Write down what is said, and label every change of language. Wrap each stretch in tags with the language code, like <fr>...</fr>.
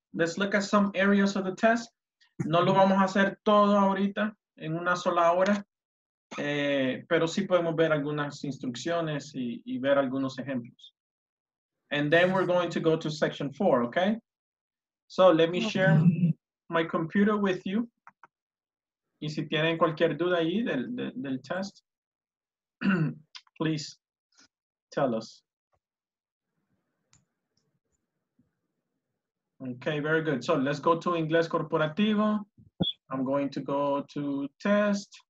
<en>Let's look at some areas of the test.</en> <es>No lo vamos a hacer todo ahorita en una sola hora. Pero sí podemos ver algunas instrucciones y ver algunos ejemplos.</es> <en>And then we're going to go to section 4, okay? So let me share my computer with you.</en> <es>Y si tienen cualquier duda ahí del test,</es> <en>please tell us. Okay, very good. So let's go to Ingles Corporativo. I'm going to go to test.</en>